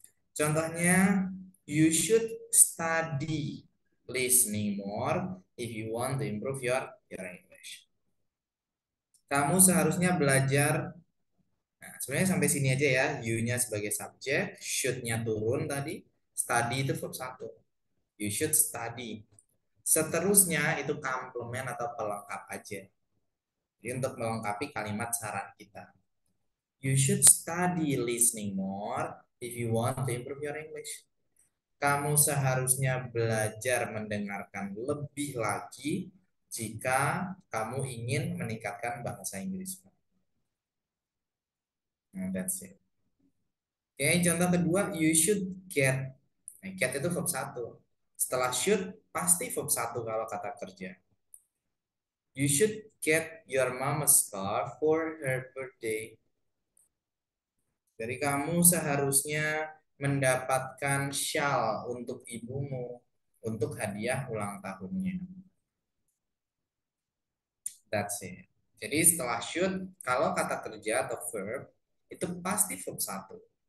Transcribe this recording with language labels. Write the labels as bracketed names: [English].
[English] Contohnya, you should study listening more if you want to improve your English. [Indonesian] Kamu seharusnya belajar, nah, sebenarnya sampai sini aja ya, you-nya sebagai subjek, should-nya turun tadi, study itu verb satu. [English] You should study. [Indonesian] Seterusnya itu komplement atau pelengkap aja. Jadi untuk melengkapi kalimat saran kita. [English] You should study listening more if you want to improve your English. [Indonesian] Kamu seharusnya belajar mendengarkan lebih lagi jika kamu ingin meningkatkan bahasa Inggris. [English] And that's it. Okay, [Indonesian] contoh kedua, [English] you should get. [Indonesian] Nah, get itu verb satu. Setelah should, pasti verb satu kalau kata kerja. [English] You should get your mom a scarf for her birthday. [Indonesian] Jadi kamu seharusnya mendapatkan shawl untuk ibumu untuk hadiah ulang tahunnya. [English] That's it. [Indonesian] Jadi setelah should, kalau kata kerja atau verb, itu pasti verb satu.